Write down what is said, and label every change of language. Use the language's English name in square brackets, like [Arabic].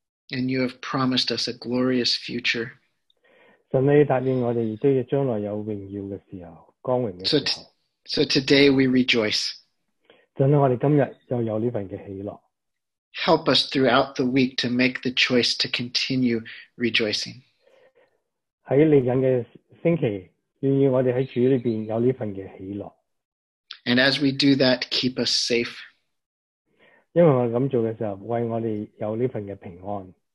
[English] And you have promised us a glorious future. [Chinese] 神啊,你答应我们将来有荣耀的时候,光荣的时候。 [English] So today we rejoice. [Chinese] 神啊,我们今天又有这份的喜乐。 [English] Help us throughout the week to make the choice to continue rejoicing. [Chinese] 在未来的星期,愿意我们在主里面有这份的喜乐。 [English] And as we do that, keep us safe. [Chinese] 因为我们这么做的时候,为我们有这份的平安。